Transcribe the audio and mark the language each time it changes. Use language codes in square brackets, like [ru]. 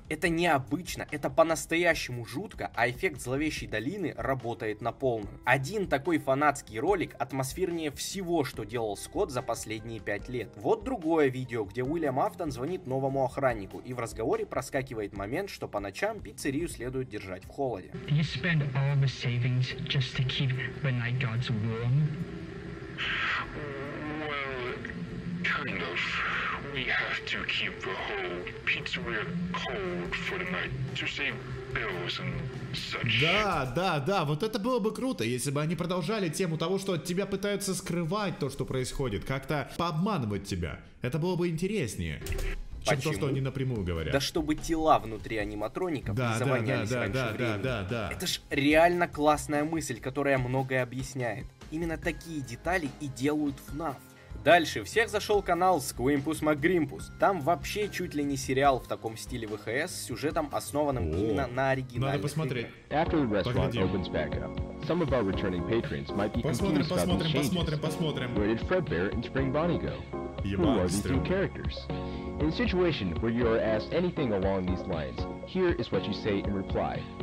[ru] Это необычно, это по-настоящему жутко, а эффект зловещей долины работает на полную. Один такой фанатский ролик атмосфернее всего, что делал Скотт за последние 5 лет. Вот другое видео, где Уильям Афтон звонит новому охраннику. И в разговоре проскакивает момент, что по ночам пиццерию следует держать в холоде. [en] You spend all the savings just to keep the night gods warm? Well, kind of. we have to keep the whole pizzeria cold for the night to save bills and such. [ru] Да, да, да, вот это было бы круто, если бы они продолжали тему того, что от тебя пытаются скрывать то, что происходит, как-то пообманывать тебя. Это было бы интереснее. Чем почему? То, что они напрямую говорят. Да чтобы тела внутри аниматроников да, не завонялись да, да, раньше да, времени. Да, да, да. Это ж реально классная мысль, которая многое объясняет. Именно такие детали и делают FNAF. Дальше, всех зашел канал Squimpus McGrimpus. Там вообще чуть ли не сериал в таком стиле ВХС, с сюжетом, основанным о, именно на оригинальных играх. Надо посмотреть. [en] After the restaurant opens back up, some of our returning patrons might be confused about these changes. [ru] Посмотрим. [en] Where did Fred Bear and Spring Bonnie go? Who are these new characters? In a situation where you are asked anything along these lines, here is what you say in reply.